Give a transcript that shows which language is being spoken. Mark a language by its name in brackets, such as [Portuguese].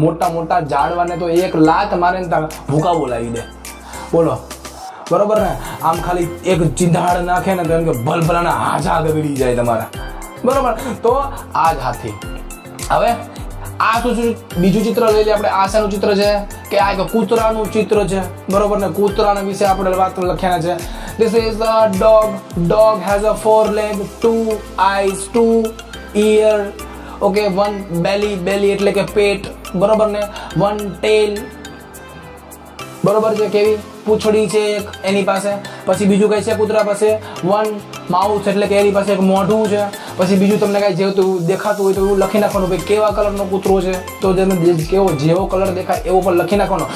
[Gujarati] મોટા મોટા ઝાડવાને તો એક લાત મારે ને ત્યાં ભૂકા બોલાવી દે, બોલો બરોબર ને. આમ ખાલી એક ચિંધાડ નાખે ને તો એમ કે ભલભલાના હાજા ગબડી જાય તમારા, બરોબર. તો આ જ હાથી. હવે આ શું છે, બીજું ચિત્ર લઈ લઈએ આપણે, આશાનું ચિત્ર છે કે આ એક કૂતરાનું ચિત્ર છે, બરોબર ને. કૂતરાના વિશે આપણે વાત લખ્યા છે. [English] This is a dog. Dog has a four leg, two eyes, two ear. Okay, one belly. [Gujarati] Belly એટલે કે પેટ, બરોબર ને. [English] One tail, [Gujarati] બરોબર છે. કેવી પૂંછડી છે એક એની પાસે. પછી બીજું કઈ છે કૂતરા પાસે? [English] One mouth, [Gujarati] એટલે કે એની પાસે એક મોઢું છે. પછી બીજું તમને કાંઈ જેવું દેખાતું હોય તો એવું લખી નાખવાનું, ભાઈ કેવા કલરનો કૂતરો છે, તો તમે કેવો જેવો કલર દેખાય એવો પણ લખી નાખવાનો.